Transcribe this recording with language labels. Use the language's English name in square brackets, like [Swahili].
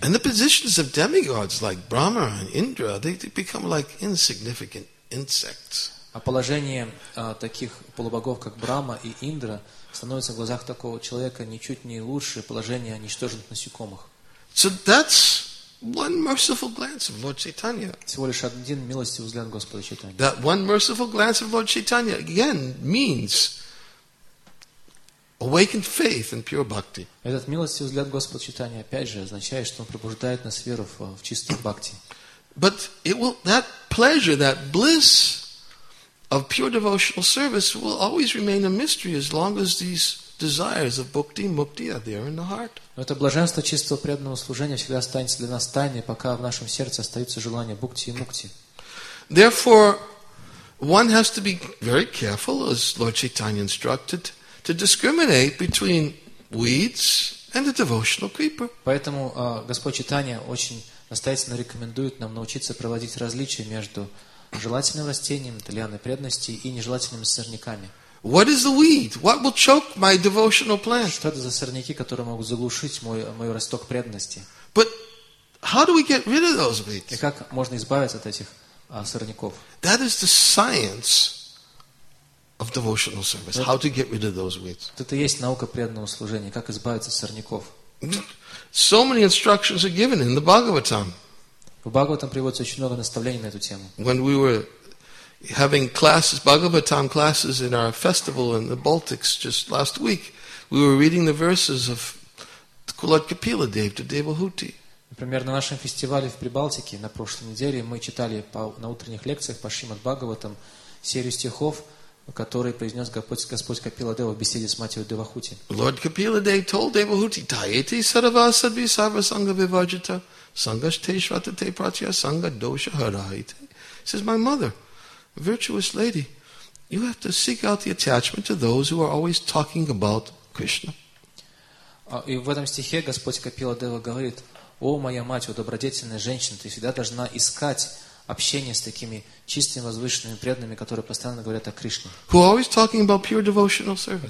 [English] And the positions of demigods like Brahma and Indra, they become like insignificant insects. [Russian] А положение таких полубогов, как Брама и Индра, становится в глазах такого человека ничуть не лучше положения ничтожных насекомых. [English] So that's one merciful glance of Lord Chaitanya. [Russian] Всего лишь один милостивый взгляд Господа Чайтаньи. [English] That one merciful glance of Lord Chaitanya again means awakened faith and pure bhakti. [Russian] Этот милостивый взгляд Господа Чайтаньи опять же означает, что он пробуждает нас веру в чистую бхакти. [English] But it will that pleasure, that bliss of pure devotional service will always remain a mystery as long as these desires of bhakti, mukti are there in the heart. [Russian] Но это блаженство чистого преданного служения всегда останется для нас тайной, пока в нашем сердце остаются желания бхукти и мукти. [English] Therefore, one has to be very careful, as Lord Chaitanya instructed, to discriminate between weeds and the devotional creeper. [Russian] Поэтому Господь Чайтанья очень настоятельно рекомендует нам научиться проводить различия между желательным растением, тлианой преданности, и нежелательными сорняками. [English] What is the weed? What will choke my devotional plant? [Russian] Что это за сорняки, которые могут заглушить мой росток преданности? [English] But how do we get rid of those weeds? [Russian] И как можно избавиться от этих сорняков? [English] That is the science of devotional service. How to get rid of those weeds. [Russian] Это есть наука преданного служения, как избавиться от сорняков. [English] So many instructions are given in the Bhagavatam. [Russian] В Бхагаватам приводится очень много наставлений на эту тему. [English] When we were having classes, Bhagavatam classes in our festival in the Baltics just last week, we were reading the verses of Kulat Kapila Dev to Devahuti. [Russian] Например, на нашем фестивале в Прибалтике на прошлой неделе мы читали на утренних лекциях по Шримад Бхагаватам серию стихов, которые произнес Господь Капила Дева в беседе с матерью Девахути. [Sanskrit] Lord Kapila Dev told Devahuti, Taiti Saravasadvi Sarvasanga Vivajita Sangashte Shvatate Pratya Sanga Dosha Harahite. [English] He says, my mother, virtuous lady, you have to seek out the attachment to those who are always talking about Krishna. [Russian] И в этом стихе Господь Капила Дева говорит, о, моя мать, о, добродетельная женщина, ты всегда должна искать общение с такими чистыми, возвышенными, преданными, которые постоянно говорят о Кришне. [English] Who always talking about pure devotional service.